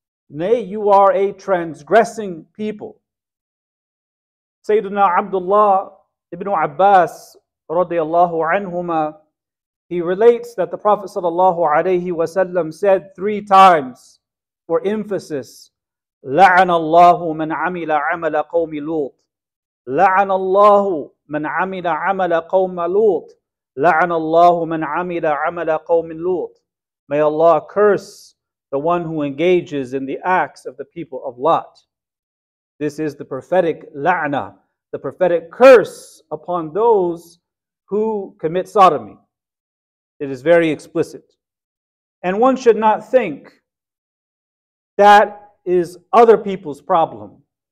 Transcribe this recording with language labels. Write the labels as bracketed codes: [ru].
[en] Nay, you are a transgressing people. Sayyidina Abdullah ibn Abbas radiallahu anhuma, he relates that the Prophet sallallahu alayhi wasallam said three times for emphasis, [ar] لَعَنَ اللَّهُ مَنْ عَمِلَ عَمَلَ قَوْمِ لُوطٍ. لَعَنَ اللَّهُ مَنْ عَمِلَ عَمَلَ قَوْمَ لُوطٍ. لعن الله من عمل عمل قوم لوط. [en] May Allah curse the one who engages in the acts of the people of Lot. This is the prophetic la'na, the prophetic curse upon those who commit sodomy. It is very explicit. And one should not think that is other people's problem.